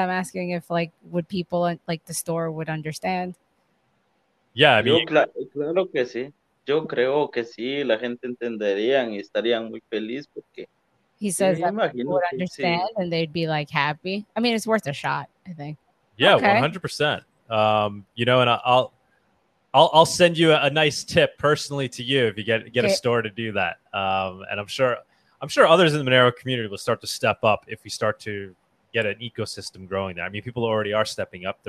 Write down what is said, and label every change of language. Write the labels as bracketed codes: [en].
[en] I'm asking if, like, would people, like, the store would understand. Yeah, [es] claro que sí. Yo creo que sí, la gente entendería y estarían muy feliz porque... [en] He says that people would understand and they'd be like happy. I mean, it's worth a shot, I think. Yeah, okay. 100%. You know, and I'll send you a nice tip personally to you if you get a store to do that. And I'm sure others in the Monero community will start to step up if we start to get an ecosystem growing there. I mean, people already are stepping up.